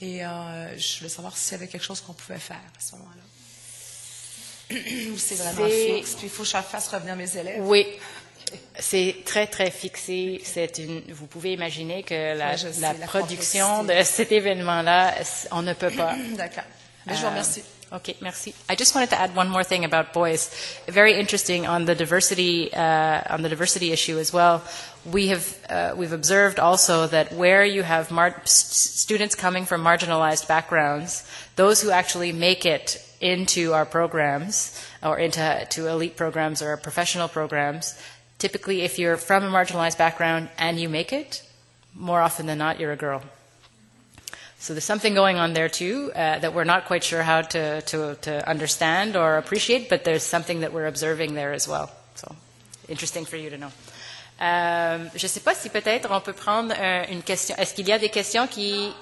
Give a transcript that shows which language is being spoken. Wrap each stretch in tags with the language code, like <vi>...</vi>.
<fr>Et je voulais savoir s'il y avait quelque chose qu'on pouvait faire à ce moment-là. C'est vraiment fixe, puis il faut que je fasse revenir mes élèves. Oui, c'est très, très fixé. Okay. Vous pouvez imaginer que la production de cet événement-là, on ne peut pas. D'accord. Mais je vous remercie. Okay, merci.</fr> <en>I just wanted to add one more thing about boys. Very interesting on the diversity issue as well. We've observed also that where you have students coming from marginalized backgrounds, those who actually make it into our programs or into elite programs or professional programs, typically if you're from a marginalized background and you make it, more often than not, you're a girl. So there's something going on there too that we're not quite sure how to understand or appreciate, but there's something that we're observing there as well. So interesting for you to know.</en> <fr>Je ne sais pas si peut-être on peut prendre une question. Est-ce qu'il y a des questions qui...</fr>